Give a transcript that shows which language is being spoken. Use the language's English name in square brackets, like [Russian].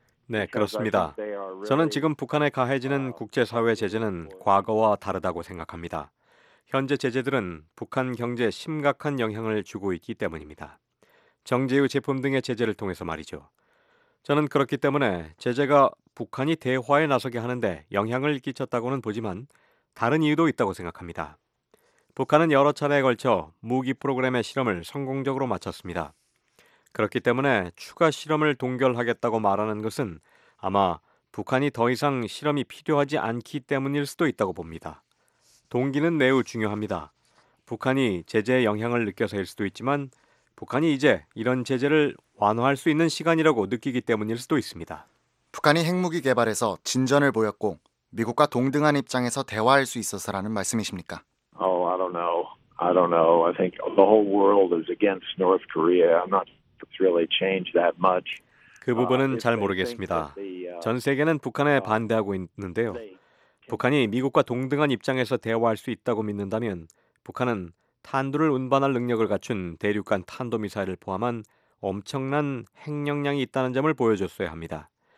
[Korean] 네, 그렇습니다. 저는 지금 북한에 가해지는 국제사회 제재는 과거와 다르다고 생각합니다. 현재 제재들은 북한 경제에 심각한 영향을 주고 있기 때문입니다. 정제유 제품 등의 제재를 통해서 말이죠. 저는 그렇기 때문에 제재가 북한이 대화에 나서게 하는데 영향을 끼쳤다고는 보지만 다른 이유도 있다고 생각합니다. 북한은 여러 차례에 걸쳐 무기 프로그램의 실험을 성공적으로 마쳤습니다. 그렇기 때문에 추가 실험을 동결하겠다고 말하는 것은 아마 북한이 더 이상 실험이 필요하지 않기 때문일 수도 있다고 봅니다. 동기는 매우 중요합니다. 북한이 제재의 영향을 느껴서일 수도 있지만 북한이 이제 이런 제재를 완화할 수 있는 시간이라고 느끼기 때문일 수도 있습니다. 북한이 핵무기 개발에서 진전을 보였고 미국과 동등한 입장에서 대화할 수 있어서라는 말씀이십니까? [English] Oh, I don't know. I think the whole world is against North Korea. I'm not really change that much. [Korean] 그 부분은 잘 모르겠습니다. 전 세계는 북한에 반대하고 있는데요. 북한이 미국과 동등한 입장에서 대화할 수 있다고 믿는다면 북한은 탄두를 운반할 능력을 갖춘 대륙간 탄도미사일을 포함한 엄청난 핵 역량이 있다는 점을 보여줬어야 합니다.